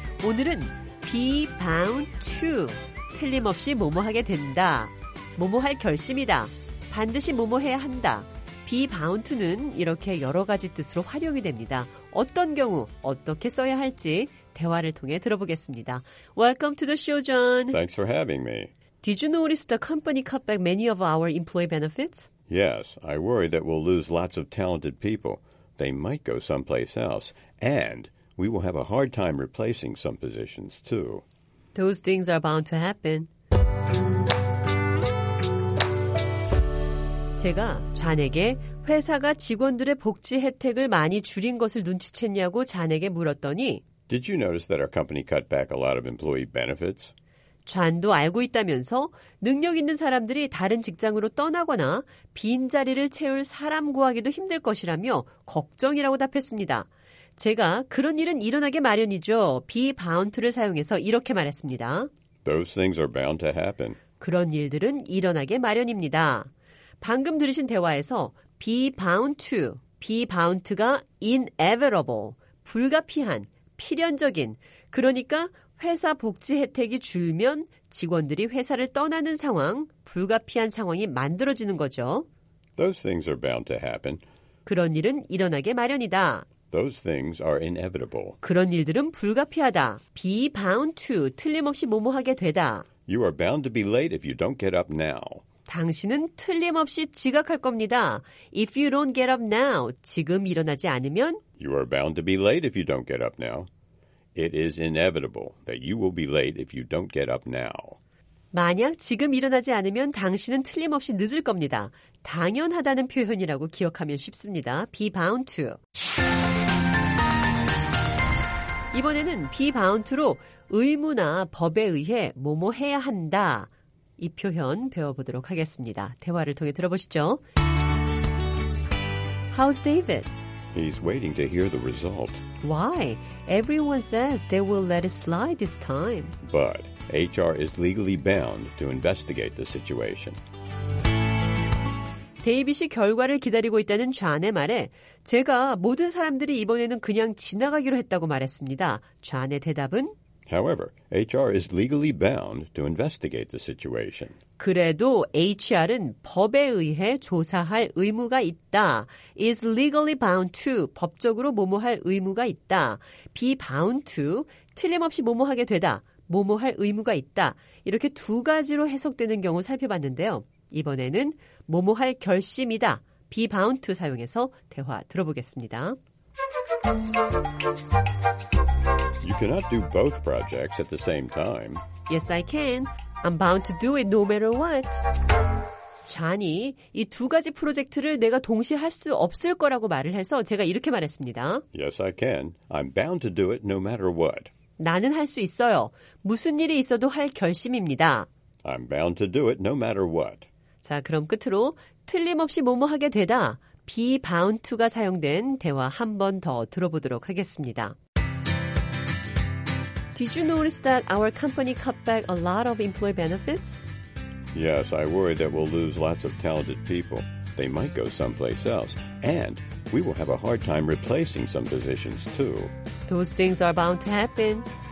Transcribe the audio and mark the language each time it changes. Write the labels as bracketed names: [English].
[Korean] 오늘은 be bound to, 틀림없이 뭐뭐하게 된다, 뭐뭐할 결심이다, 반드시 뭐뭐해야 한다. be bound to는 이렇게 여러 가지 뜻으로 활용이 됩니다. 어떤 경우 어떻게 써야 할지 대화를 통해 들어보겠습니다. [English] Welcome to the show, John. Thanks for having me. Did you notice the company cut back many of our employee benefits? Yes, I worry that we'll lose lots of talented people. They might go someplace else, and we will have a hard time replacing some positions, too. Those things are bound to happen. [Korean] 단체가 잔에게 회사가 직원들의 복지 혜택을 많이 줄인 것을 눈치챘냐고 잔에게 물었더니 [English] Did you notice that our company cut back a lot of employee benefits? [Korean] 잔도 알고 있다면서 능력 있는 사람들이 다른 직장으로 떠나거나 빈자리를 채울 사람 구하기도 힘들 것이라며 걱정이라고 답했습니다. 제가 그런 일은 일어나게 마련이죠. 비바운트를 사용해서 이렇게 말했습니다. [English] Those things are bound to happen. [Korean] 그런 일들은 일어나게 마련입니다. 방금 들으신 대화에서 be bound to, be bound가 inevitable, 불가피한, 필연적인, 그러니까 회사 복지 혜택이 줄면 직원들이 회사를 떠나는 상황, 불가피한 상황이 만들어지는 거죠. [English] Those things are bound to happen. [Korean] 그런 일은 일어나게 마련이다. [English] Those things are inevitable. [Korean] 그런 일들은 불가피하다. Be bound to, 틀림없이 뭐뭐하게 되다. [English] You are bound to be late if you don't get up now. [Korean] 당신은 틀림없이 지각할 겁니다. [English] If you don't get up now, [Korean] 지금 일어나지 않으면 [English] You are bound to be late if you don't get up now. It is inevitable that you will be late if you don't get up now. [Korean] 만약 지금 일어나지 않으면 당신은 틀림없이 늦을 겁니다. 당연하다는 표현이라고 기억하면 쉽습니다. Be bound to. 이번에는 be bound to로 의무나 법에 의해 뭐뭐 해야 한다. 이 표현 배워보도록 하겠습니다. 대화를 통해 들어보시죠. [English] How's David? He's waiting to hear the result. Why? Everyone says they will let it slide this time. But HR is legally bound to investigate the situation. [Korean] 데이빗이 결과를 기다리고 있다는 존의 말에 제가 모든 사람들이 이번에는 그냥 지나가기로 했다고 말했습니다. 존의 대답은 [English] However, HR is legally bound to investigate the situation. [Korean] 그래도 HR은 법에 의해 조사할 의무가 있다. [English] Is legally bound to, [Korean] 법적으로 뭐뭐할 의무가 있다. Be bound to, 틀림없이 뭐뭐하게 되다. 뭐뭐할 의무가 있다. 이렇게 두 가지로 해석되는 경우 살펴봤는데요. 이번에는 뭐뭐할 결심이다. Be bound to 사용해서 대화 들어보겠습니다. [English] You cannot do both projects at the same time. Yes, I can. I'm bound to do it no matter what. [Korean] 존이 이 두 가지 프로젝트를 내가 동시에 할 수 없을 거라고 말을 해서 제가 이렇게 말했습니다. [English] Yes, I can. I'm bound to do it no matter what. [Korean] 나는 할 수 있어요. 무슨 일이 있어도 할 결심입니다. [English] I'm bound to do it no matter what. [Korean] 자, 그럼 끝으로 틀림없이 뭐뭐하게 되다. Be bound to가 사용된 대화 한 번 더 들어보도록 하겠습니다. [English] Did you notice that our company cut back a lot of employee benefits? Yes, I worry that we'll lose lots of talented people. They might go someplace else. And we will have a hard time replacing some positions, too. Those things are bound to happen.